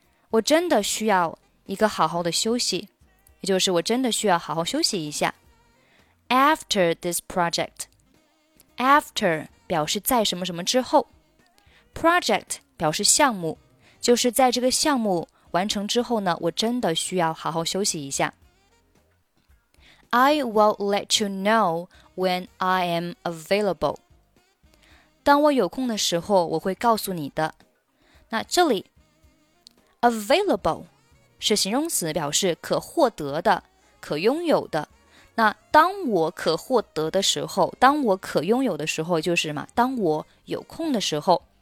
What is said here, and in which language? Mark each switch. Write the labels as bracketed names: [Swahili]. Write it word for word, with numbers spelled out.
[Chinese] 我真的需要一个好好的休息，也就是我真的需要好好休息一下。 [English] After this project. [Chinese] After 表示在什么什么之后。Project 表示项目，就是在这个项目完成之后呢，我真的需要好好休息一下。 [English] I will let you know when I am available. [Chinese] 当我有空的时候，我会告诉你的。那这里 available 是形容词，表示可获得的，可拥有的。那当我可获得的时候，当我可拥有的时候，就是嘛，当我有空的时候。